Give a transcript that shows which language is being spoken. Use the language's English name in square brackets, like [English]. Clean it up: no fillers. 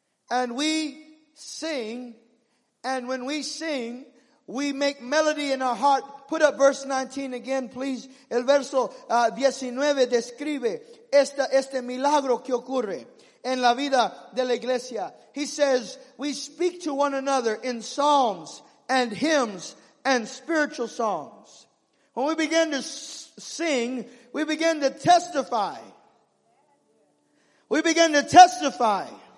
[English] And we sing, and when we sing, we make melody in our heart. Put up verse 19 again, please. [Spanish] El verso 19 describe este milagro que ocurre en la vida de la iglesia. [English] He says, we speak to one another in psalms and hymns and spiritual songs. When we begin to sing, we begin to testify. We begin to testify.